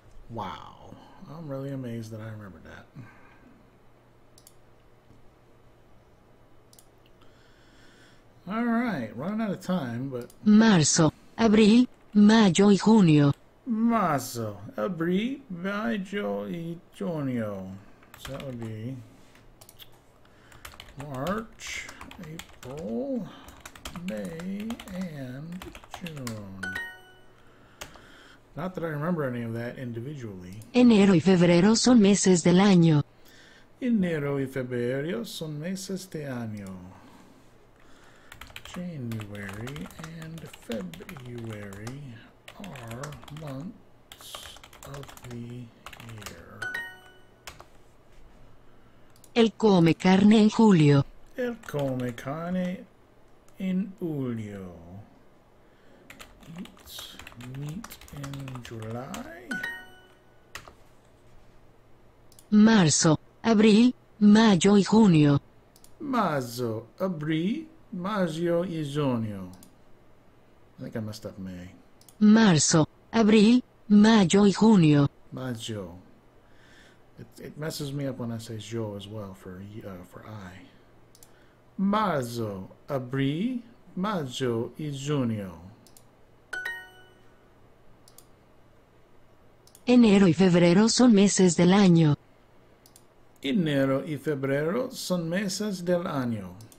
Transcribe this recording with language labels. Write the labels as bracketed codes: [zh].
[en] Wow. I'm really amazed that I remembered that. right, running out of time, but. [es] Marzo, abril, mayo y junio. Marzo, abril, mayo y junio. [en] So that would be March, April, May, and June. Not that I remember any of that individually. [es] Enero y febrero son meses del año. Enero y febrero son meses de año. [en] January and February are months of the year. [es] Él come carne en julio. Él come carne en julio. [en] Eats meat in July. [es] Marzo, abril, mayo y junio. Marzo, abril, mayo y junio. [en] I think I messed up May. [es] Marzo, abril, mayo y junio. Mayo. [en] It messes me up when I say yo as well for I. [es] Marzo, abril, mayo y junio. Enero y febrero son meses del año. Enero y febrero son meses del año.